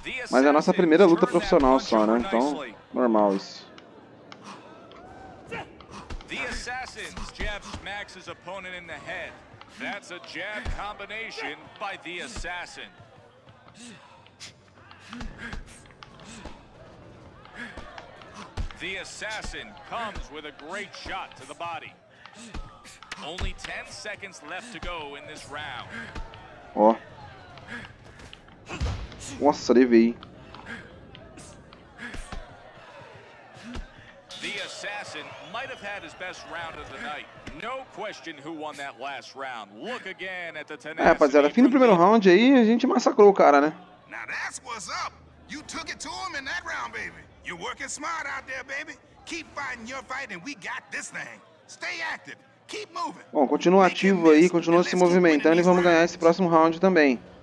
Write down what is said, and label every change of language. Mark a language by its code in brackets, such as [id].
[pt] Mas é a nossa primeira luta profissional só, né? Então, normal isso. [en] The Assassins jabs Max's opponent in the head. That's a jab combination by the Assassin. The Assassin comes with a great shot to the body. Only 10 seconds left to go in this round. Ó. [pt] Nossa, levei. [en] The Assassin might have had his best round of the night. No question who won that last round. Look again at the tenacity. [pt] É, rapaziada, fim do primeiro round aí, a gente massacrou o cara, né? [en] Now that's what's up. You took it to him in that round, baby. You're working smart out there, baby. Keep fighting your fight and we got this thing. Stay active. Keep moving. [pt] Bom, continua ativo aí, continua se movimentando e vamos ganhar esse próximo round também.